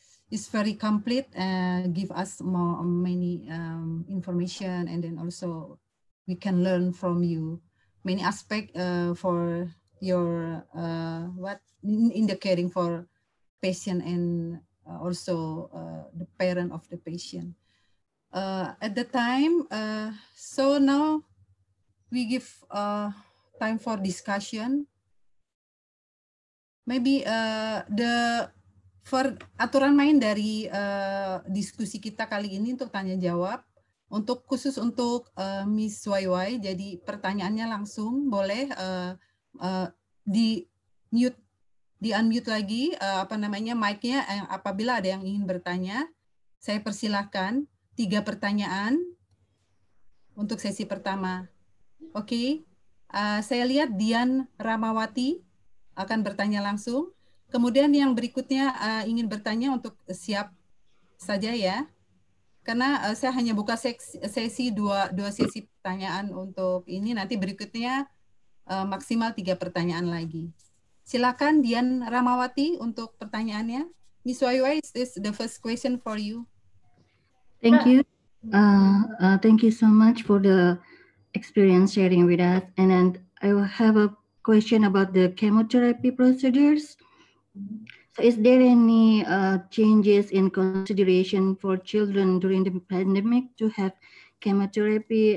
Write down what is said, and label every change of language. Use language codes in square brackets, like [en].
[en] It's very complete and give us more many information, and then also we can learn from you many aspects for your what in the caring for patient and also the parent of the patient. At the time, so now we give time for discussion. Maybe the for [id] aturan main dari diskusi kita kali ini untuk tanya jawab untuk khusus untuk Miss YY, jadi pertanyaannya langsung boleh di unmute lagi mic-nya apabila ada yang ingin bertanya. Saya persilahkan 3 pertanyaan untuk sesi pertama. Oke, okay. Saya lihat Dian Ramawati akan bertanya langsung. Kemudian yang berikutnya ingin bertanya untuk siap saja ya. Karena saya hanya buka sesi dua sesi pertanyaan untuk ini. Nanti berikutnya maksimal 3 pertanyaan lagi. Silakan Dian Ramawati untuk pertanyaannya. [en] Miss Waiwai, is this the first question for you? Thank you. Thank you so much for the experience sharing with us. And then I have a question about the chemotherapy procedures. So is there any changes in consideration for children during the pandemic to have chemotherapy?